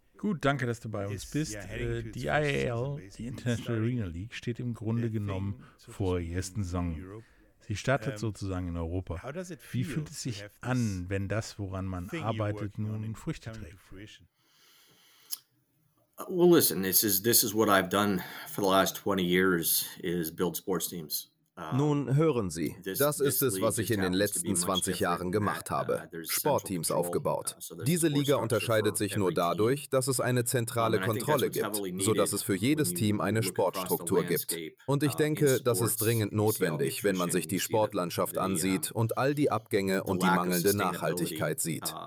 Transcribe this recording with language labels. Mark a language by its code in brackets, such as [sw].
[de] Gut, danke, dass du bei uns bist. Die IAL, die International Arena League, steht im Grunde genommen vor der ersten Saison. Sie startet sozusagen in Europa. Wie fühlt es sich an, wenn das, woran man arbeitet, nun in Früchte trägt? [en] Well, listen, this is what I've done for the last 20 years is build sports teams. [de] Nun hören Sie, das ist es, was ich in den letzten 20 Jahren gemacht habe, Sportteams aufgebaut. Diese Liga unterscheidet sich nur dadurch, dass es eine zentrale Kontrolle gibt, sodass es für jedes Team eine Sportstruktur gibt. Und ich denke, das ist dringend notwendig, wenn man sich die Sportlandschaft ansieht und all die Abgänge und die mangelnde Nachhaltigkeit sieht.